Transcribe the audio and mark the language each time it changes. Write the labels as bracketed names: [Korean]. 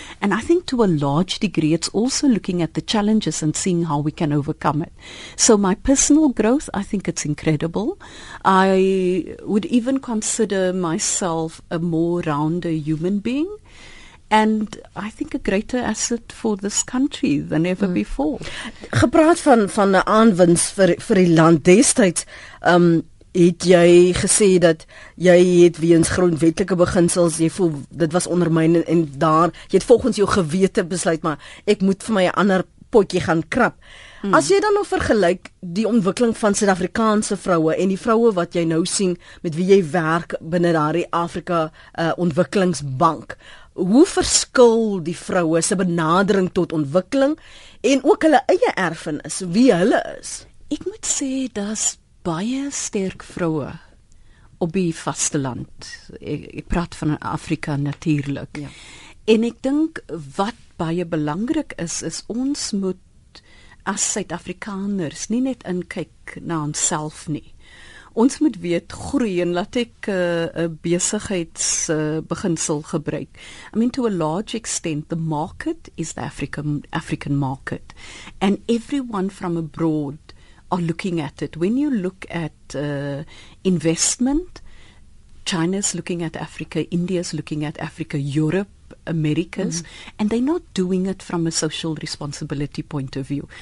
[English] And I think to a large degree, it's also looking at the challenges and seeing how we can overcome it. So my personal growth, I think it's incredible. I would even consider myself a more rounder human being, and I think a greater asset for this country than ever before. [Afrikaans] Gepraat van die aanwins vir die land destyds, het jy gesê dat jy het weens grondwetlike beginsels, jy voel dit was ondermyn en daar, jy het volgens jou gewete besluit, maar ek moet vir my 'n ander potjie gaan krap. Hmm. As jy dan nou vergelyk die ontwikkeling van Suid-Afrikaanse vroue en die vroue wat jy nou sien met wie jy werk binne daardie Afrika Ontwikkelingsbank, hoe verskil die vroue se benadering tot ontwikkeling en ook hulle eie erfenis, wie hulle is? Ek moet sê, dat baie sterk vroue op die vasteland. Ek praat van Afrika natuurlik. Ja. En ek dink wat baie belangrik is, is ons moet as Suid-Afrikaners nie net inkyk na onsself nie. Ons moet weet groei en laat ek 'n besigheidsbeginsel gebruik. [English] I mean, to a large extent, the market is the African market. And everyone from abroad are looking at it. When you look at investment, China's looking at Africa, India's looking at Africa, Europe, America's, and they're not doing it from a social responsibility point of view.